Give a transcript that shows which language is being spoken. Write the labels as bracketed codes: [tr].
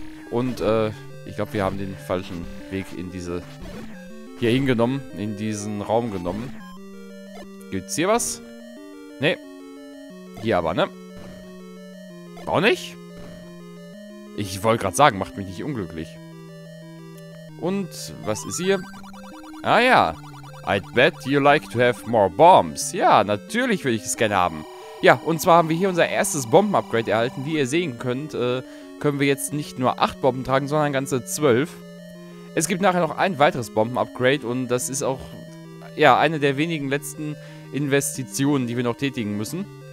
[de] Und ich glaube, wir haben den falschen Weg in diese hier hingenommen, in diesen Raum genommen. Gibt's hier was? Nee. Hier aber, ne? Auch nicht? Ich wollte gerade sagen, macht mich nicht unglücklich. Und was ist hier? Ah ja. [en] I'd bet you like to have more bombs. [de] Ja, natürlich würde ich es gerne haben. Ja, und zwar haben wir hier unser erstes Bomben-Upgrade erhalten. Wie ihr sehen könnt, können wir jetzt nicht nur 8 Bomben tragen, sondern ganze 12. Es gibt nachher noch ein weiteres Bomben-Upgrade und das ist auch, ja, eine der wenigen letzten Investitionen, die wir noch tätigen müssen.